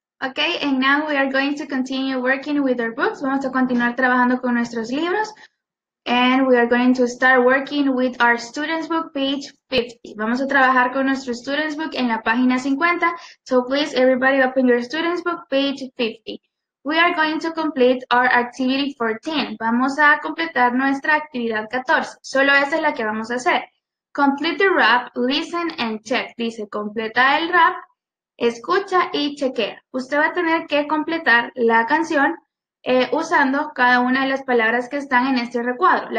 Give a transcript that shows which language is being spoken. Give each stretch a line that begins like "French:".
English: Okay, and now we are going to continue working with our books.
Spanish: Vamos a continuar trabajando con nuestros libros.
English: And we are going to start working with our students book page 50.
Spanish: Vamos a trabajar con nuestro students book en la página 50.
English: So please everybody open your students book page 50. We are going to complete our activity 14.
Spanish: Vamos a completar nuestra actividad 14. Solo esa es la que vamos a hacer.
English: Complete the wrap, listen and check.
Spanish: Dice, completa el wrap. Escucha y chequea. Usted va a tener que completar la canción usando cada una de las palabras que están en este recuadro.